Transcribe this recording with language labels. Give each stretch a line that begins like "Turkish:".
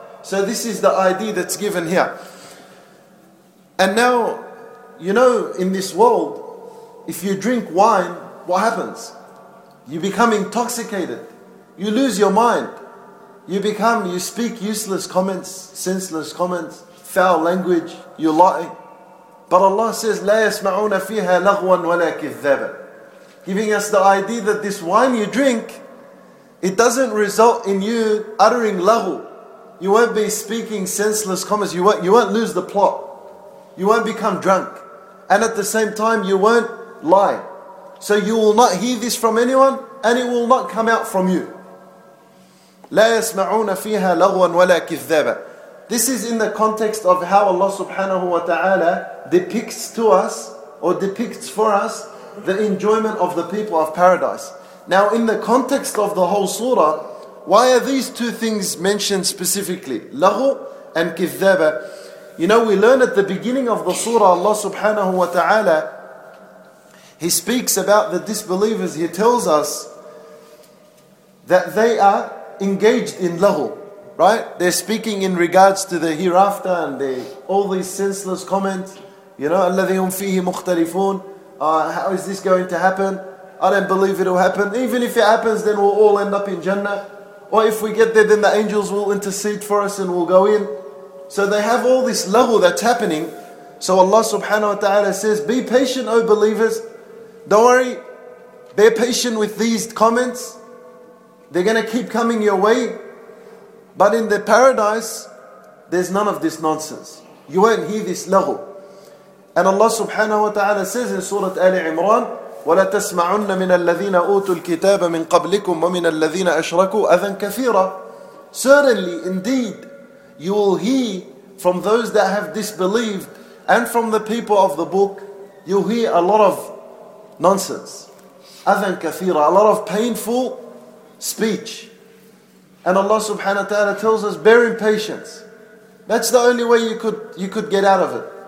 English: So this is the idea that's given here. And now, you know, in this world, if you drink wine, what happens? You become intoxicated. You lose your mind. You speak useless comments, senseless comments, foul language, you lie. But Allah says,
Arabic: لَا يَسْمَعُونَ فِيهَا لَغْوًا وَلَا كِذَّبًا.
English: Giving us the idea that this wine you drink, it doesn't result in you uttering laghu. You won't be speaking senseless comments. You won't lose the plot. You won't become drunk. And at the same time, you won't lie. So you will not hear this from anyone, and it will not come out from you.
Arabic: لَا يَسْمَعُونَ فِيهَا لَغْوًا وَلَا كِذَّبًا.
English: This is in the context of how Allah subhanahu wa ta'ala depicts to us, or depicts for us, the enjoyment of the people of paradise. Now in the context of the whole surah, why are these two things mentioned specifically? Laghu and kithaba. You know, we learn at the beginning of the surah, Allah subhanahu wa ta'ala, He speaks about the disbelievers, He tells us that they are engaged in laghu. Right? They're speaking in regards to the hereafter and all these senseless comments. You know,
Arabic: الَّذِهُمْ فِيهِ مُخْتَلِفُونَ.
English: How is this going to happen? I don't believe it will happen. Even if it happens, then we'll all end up in Jannah. Or if we get there, then the angels will intercede for us and we'll go in. So they have all this laghu that's happening. So Allah subhanahu wa ta'ala says, be patient, O believers. Don't worry. Bear patient with these comments. They're going to keep coming your way. But in the paradise, there's none of this nonsense. You won't hear this laghu. And Allah subhanahu wa ta'ala says in Surah Ali Imran,
Arabic: وَلَتَسْمَعُنَّ مِنَ الَّذِينَ أُوتُوا الْكِتَابَ مِنْ قَبْلِكُمْ وَمِنَ الَّذِينَ أَشْرَكُوا أَذًا كَثِيرًا.
English: Certainly, indeed, you will hear from those that have disbelieved and from the people of the book, you'll hear a lot of nonsense.
Arabic: أَذًا كَثِيرًا,
English: a lot of painful speech. And Allah subhanahu wa ta'ala tells us, bear in patience. That's the only way you could get out of it.